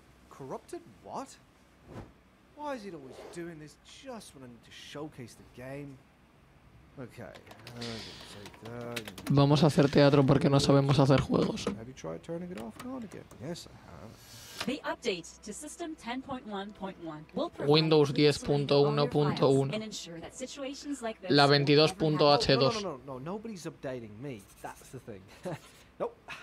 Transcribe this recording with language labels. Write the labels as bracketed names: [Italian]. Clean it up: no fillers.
[English] Corrupted? What? Why is it always doing this just when I need to showcase the game? Okay. [Spanish] Vamos a hacer teatro porque no sabemos hacer juegos. [English] Have you tried turning it off and on again? Yes, I have. The update to system 10.1.1 will provide Windows 10.1.1 and ensure that situations like this. [Spanish] La 22.h2. [English] No, nobody's updating me. That's the thing. Nope.